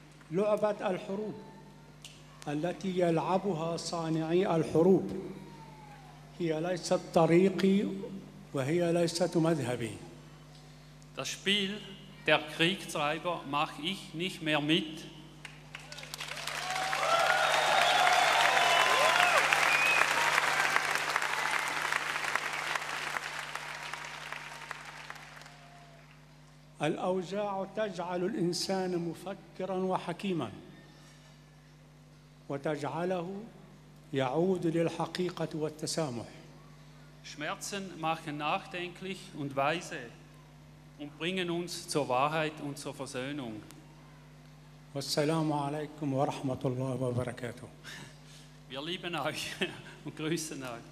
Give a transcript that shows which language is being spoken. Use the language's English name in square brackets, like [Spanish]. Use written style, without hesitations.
[Arabic] لعبة الحروب التي يلعبها صانعي الحروب هي ليست طريقي وهي ليست مذهبي. [German] Das Spiel der Kriegstreiber mache ich nicht mehr mit. [Arabic] الأوجاع تجعل الإنسان مفكراً وحكيماً وتجعله يعود للحقيقة والتسامح. [German] Schmerzen machen nachdenklich und weise und bringen uns zur Wahrheit und zur Versöhnung. [Arabic] والسلام عليكم ورحمة الله وبركاته. [German] Wir lieben euch und grüßen euch.